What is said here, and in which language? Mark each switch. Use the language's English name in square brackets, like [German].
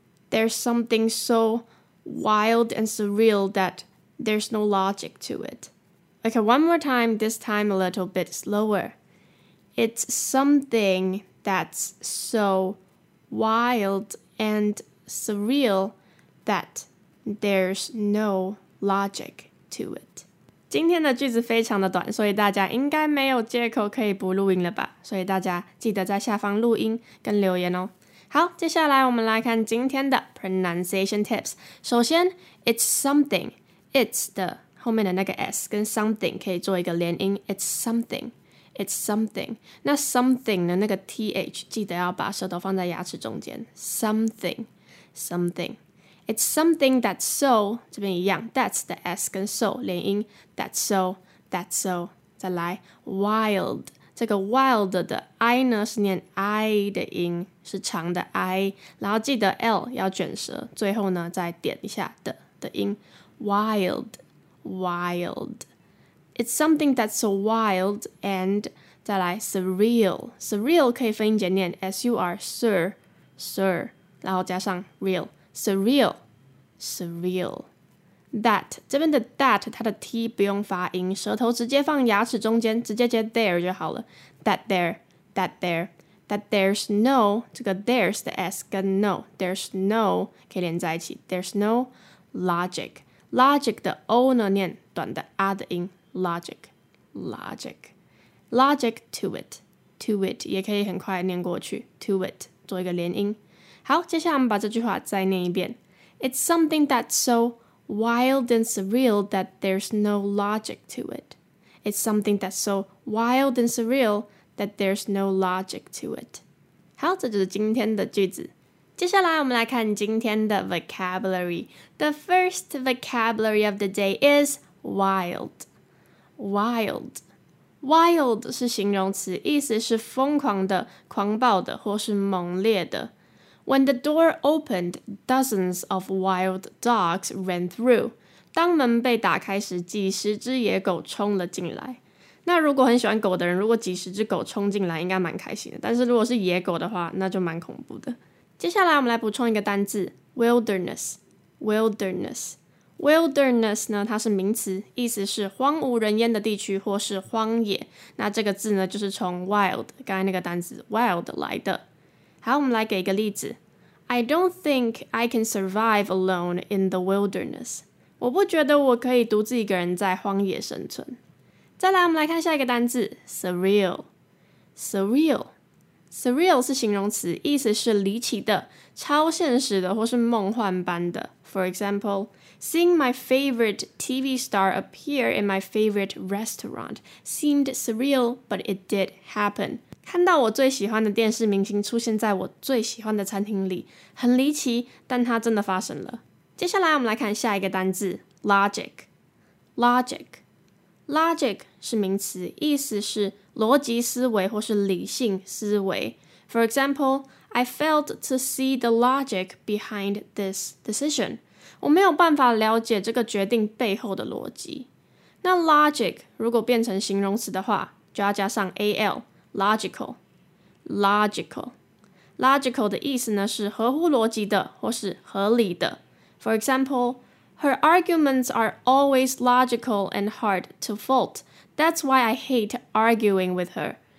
[English] There's something so wild and surreal that there's no logic to it. Okay, one more time, this time a little bit slower. It's something that's so wild and surreal that there's no logic to it. [Chinese] 今天的句子非常的短，所以大家应该没有借口可以不录音了吧？所以大家记得在下方录音跟留言哦。好，接下来我们来看今天的 pronunciation tips。首先 [English] ，it's something. [Chinese] It's 的后面的那个 s 跟 something 可以做一个连音。 [English] It's something. It's something. [Chinese] 那 something 的那个 th 记得要把舌头放在牙齿中间。 [English] Something, something. It's something that's so, [Chinese] 这边一样 that's the S 跟 so, 连音 that's so, 再来 wild, 这个 wild 的 I 呢是念 I 的音是长的 I, 然后记得 L 要卷舌最后呢再点一下 的音 wild, wild. [English] It's something that's so wild and [Chinese] 再来 [English] surreal. [Chinese] Surreal 可以发音简念 S-U-R, sur, sur, 然后加上 real. [English] Surreal, surreal. [Chinese] That, 这边的 that, 它的 T 不用发音，舌头直接放牙齿中间，直接接 there 就好了。 [English] That there, that there. That there's no, [Chinese] 这个 [English] there's 的 S 跟 no. There's no, 可以连在一起。There's no logic. [Chinese] Logic 的 O 呢念短的 R 的音。 [English] Logic, logic, logic to it, 也可以很快念过去 to it, 做一个连音。 [Chinese] 好，接下来我们把这句话再念一遍。 It's something that's so wild and surreal that there's no logic to it. It's something that's so wild and surreal that there's no logic to it. 好，这就是今天的句子。接下来我们来看今天的 vocabulary. [English] The first vocabulary of the day is wild. [Chinese] Wild, wild 是形容词，意思是疯狂的、狂暴的或是猛烈的。 [English] When the door opened, dozens of wild dogs ran through. [Chinese] 当门被打开时，几十只野狗冲了进来。那如果很喜欢狗的人，如果几十只狗冲进来，应该蛮开心的。但是如果是野狗的话，那就蛮恐怖的。接下来我们来补充一个单字 ，wilderness, wilderness. Wilderness 呢，它是名词，意思是荒无人烟的地区或是荒野。那这个字呢，就是从 wild 刚才那个单词 wild 来的。好，我们来给一个例子。 [English] I don't think I can survive alone in the wilderness. [Chinese] 我不觉得我可以独自一个人在荒野生存。再来，我们来看下一个单字 surreal。 Surreal, surreal 是形容词，意思是离奇的、超现实的或是梦幻般的。 [English] For example,Seeing my favorite TV star appear in my favorite restaurant seemed surreal, but it did happen. [Chinese] 看到我最喜欢的电视明星出现在我最喜欢的餐厅里，很离奇，但它真的发生了。接下来我们来看下一个单字 ,logic. [English] Logic. [Chinese] Logic 是名词，意思是逻辑思维或是理性思维。 [English] For example, I failed to see the logic behind this decision. [Chinese] 我没有办法了解这个决定背后的逻辑。那 logic 如果变成形容词的话，就要加上 al, logical, logical. Logical 的意思呢是合乎逻辑的或是合理的。 [English] For example, Her arguments are always logical and hard to fault. That's why I hate arguing with her.